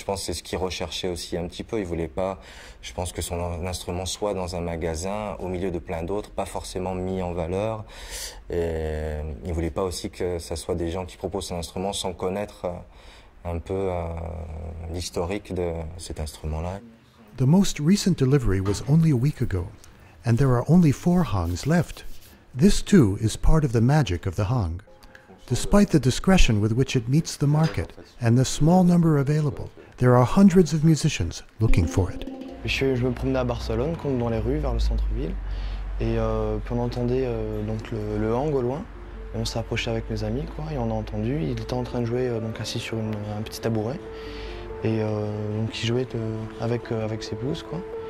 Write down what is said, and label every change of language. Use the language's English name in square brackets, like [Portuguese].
[French] Je pense que c'est ce qu'il recherchait aussi un petit peu. Il voulait pas, je pense, que son instrument soit dans un magasin au milieu de plein d'autres, pas forcément mis en valeur. Et il voulait pas aussi que ça soit des gens qui proposent un instrument sans connaître un peu l'historique de cet instrument-là. [English] The most recent delivery was only a week ago, and there are only 4 Hangs left. This too is part of the magic of the Hang. Despite the discretion with which it meets the market and the small number available, there are hundreds of musicians looking for it. [French] Je me promenais à Barcelone, comme dans les rues vers le centre-ville, et puis on entendait donc le Hang au loin. Et on s'approchait avec mes amis, quoi, et on a entendu. Il était en train de jouer donc assis sur un petit tabouret, et donc il jouait avec ses pouces, quoi.